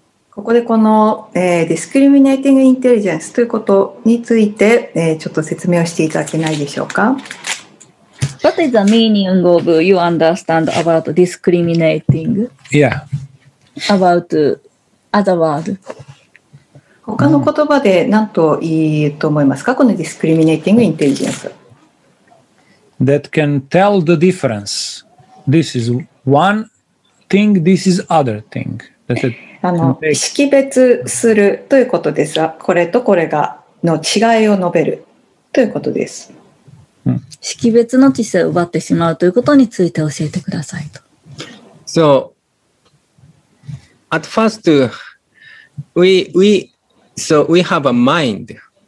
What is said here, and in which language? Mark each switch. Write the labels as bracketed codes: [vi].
[ja] ここでこの、 [en] discriminating intelligence [ja] ということについて、ちょっと説明をしていただけないでしょうか。 [en] What is the meaning of you understand about discriminating? Yeah. About other word. [ja] 他の言葉で何と言うと思いますか、このディスクリミネーティングインテリジェンス。 [en] That can tell the difference. This is one thing, this is other thing. That it can take... [ja] 識別するということですが、これとこれがの違いを述べるということです。識別の知性を奪ってしまうということについて教えてくださいと。 [en] So, at first, we So we have a mind.